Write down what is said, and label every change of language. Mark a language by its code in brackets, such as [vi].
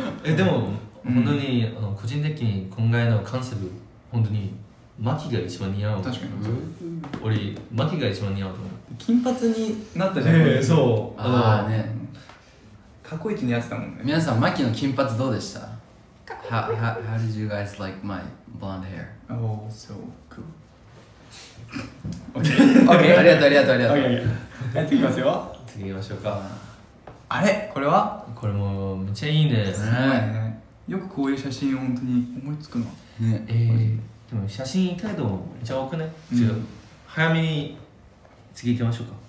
[ja] え、でも、うん、本当に個人的に今回のカンセプト本当にマキが一番似合う。確かに、うん、俺マキが一番似合うと思う。金髪になったじゃん、そう。ああね、過去一に似合ってたもんね。皆さん、マキの金髪どうでした？ [en] How did you guys like my blonde hair? Oh, so cool。 [ja] オッケー、ありがとう、ありがとう、ありがとう。次行きますよ。次行きましょうか。あれ、これはこれもめっちゃいいね。すごいね。よくこういう写真を本当に思いつくの。ね、でも写真行ったけどめっちゃ多くね。うん、早めに次行きましょうか。